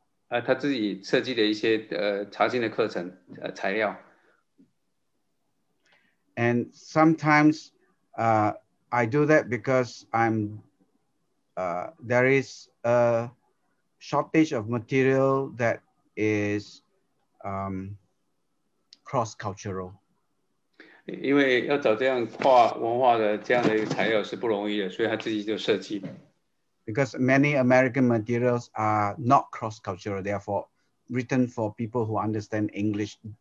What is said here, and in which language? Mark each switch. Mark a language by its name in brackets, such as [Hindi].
[Chinese] 他自己设计的一些查经的课程材料。 [English] And sometimes I do that because I'm there is a shortage of material that is cross-cultural. [Chinese] 因为要找这样跨文化的这样的材料是不容易的，所以他自己就设计。 [English] Because many American materials are not cross-cultural, therefore written for people who understand English.